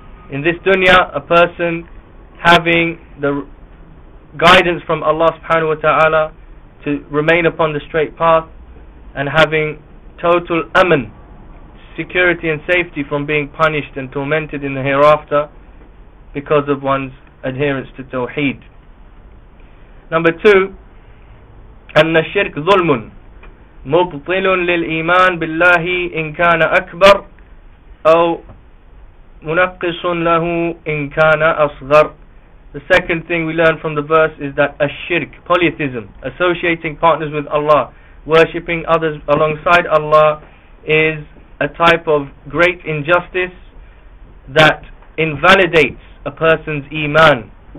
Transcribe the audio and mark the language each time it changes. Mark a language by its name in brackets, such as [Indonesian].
[English] In this dunya, a person having the guidance from Allah subhanahu wa ta'ala to remain upon the straight path, and having total aman, security and safety from being punished and tormented in the hereafter because of one's adherence to tawheed. Number two, [Arabic] أن الشرك ظلم مبطل للإيمان بالله إن كان أكبر أو منقص له إن كان أصغر. [English] The second thing we learn from the verse is that ash-shirk, polytheism, associating partners with Allah, worshipping others alongside Allah, is a type of great injustice that invalidates a person's iman.